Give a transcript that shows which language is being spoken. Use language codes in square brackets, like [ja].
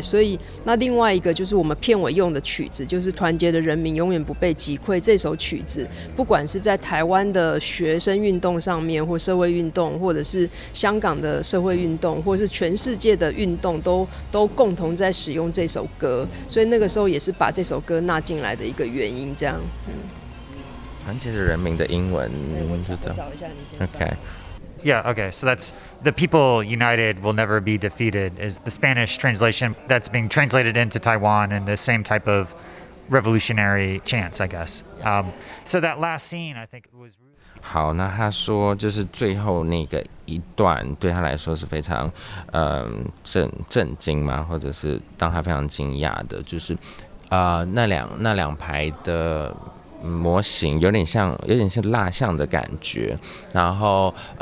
[zh] 所以那另外一个就是我们片尾用的曲子，就是团结的人民永远不被击溃这首曲子，不管是在台湾的学生运动上面，或社会运动，或者是香港的社会运动，或者是全世界的运动，都共同在使用这首歌。所以那个时候也是把这首歌纳进来的一个原因这样。团结的人民的英文，我找一下，你先。 [en] OK Yeah, okay, so that's The People United Will Never Be Defeated is the Spanish translation that's being translated into Taiwan in the same type of revolutionary chants, I guess. So that last scene, I think, was... [zh] 好，那他说就是最后那个一段对他来说是非常震惊吗，或者是当他非常惊讶的，就是那两排的模型有点像蜡像的感觉，然后